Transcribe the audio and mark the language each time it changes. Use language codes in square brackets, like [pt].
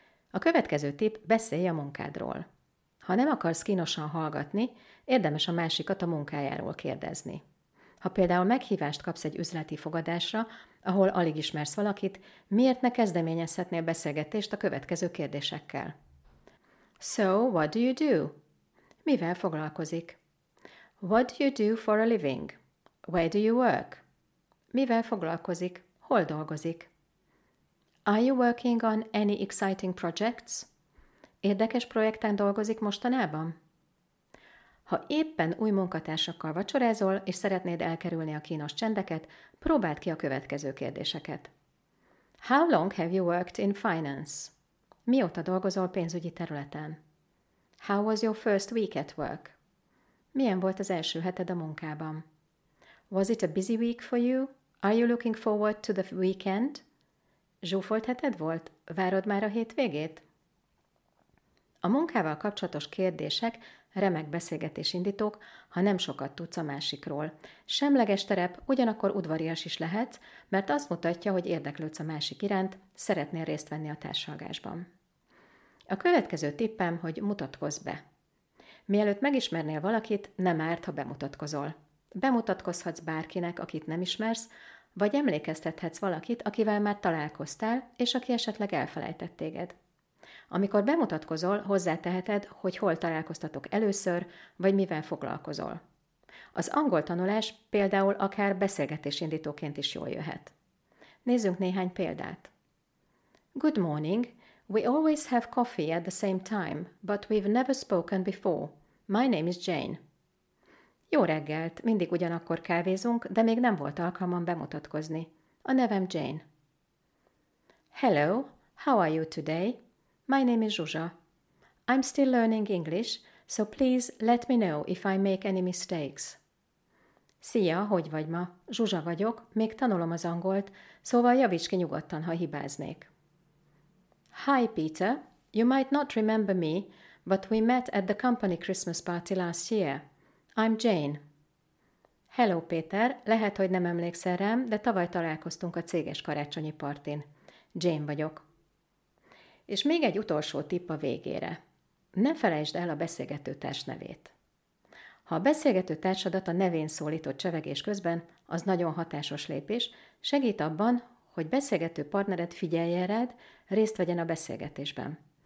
[hu] A következő tipp, beszélj a munkádról. Ha nem akarsz kínosan hallgatni, érdemes a másikat a munkájáról kérdezni. Ha például meghívást kapsz egy üzleti fogadásra, ahol alig ismersz valakit, miért ne kezdeményezhetnél beszélgetést a következő kérdésekkel? [en] So, what do you do? [hu] Mivel foglalkozik? [en] What do you do for a living? Where do you work? [hu] Mivel foglalkozik? Hol dolgozik? [en] Are you working on any exciting projects? [hu] Érdekes projekten dolgozik mostanában? Ha éppen új munkatársakkal vacsorázol, és szeretnéd elkerülni a kínos csendeket, próbáld ki a következő kérdéseket. [en] How long have you worked in finance? [hu] Mióta dolgozol pénzügyi területen? [en] How was your first week at work? [hu] Milyen volt az első heted a munkában? [en] Was it a busy week for you? Are you looking forward to the weekend? [hu] Zsúfolt heted volt? Várod már a hétvégét? A munkával kapcsolatos kérdések remek beszélgetés indítók, ha nem sokat tudsz a másikról. Semleges terep, ugyanakkor udvarias is lehetsz, mert azt mutatja, hogy érdeklődsz a másik iránt, szeretnél részt venni a társalgásban. A következő tippem, hogy mutatkozz be. Mielőtt megismernél valakit, nem árt, ha bemutatkozol. Bemutatkozhatsz bárkinek, akit nem ismersz, vagy emlékeztethetsz valakit, akivel már találkoztál, és aki esetleg elfelejtett téged. Amikor bemutatkozol, hozzáteheted, hogy hol találkoztatok először, vagy mivel foglalkozol. Az angol tanulás például akár beszélgetésindítóként is jól jöhet. Nézzünk néhány példát. [en] Good morning. We always have coffee at the same time, but we've never spoken before. My name is Jane. [hu] Jó reggelt, mindig ugyanakkor kávézunk, de még nem volt alkalmam bemutatkozni. A nevem Jane. [en] Hello, how are you today? My name is Zsuzsa. I'm still learning English, so please let me know if I make any mistakes. [hu] Szia, hogy vagy ma? Zsuzsa vagyok, még tanulom az angolt, szóval javíts ki nyugodtan, ha hibáznék. [en] Hi, Peter. You might not remember me, but we met at the company Christmas party last year. I'm Jane. Hello, Peter. [hu] Lehet, hogy nem emlékszel rám, de tavaly találkoztunk a céges karácsonyi partin. Jane vagyok. És még egy utolsó tipp a végére. Ne felejtsd el a beszélgetőtárs nevét. Ha a beszélgetőtársadat a nevén szólított csevegés közben, az nagyon hatásos lépés, segít abban, hogy beszélgető partnered figyeljen rád, részt vegyen a beszélgetésben.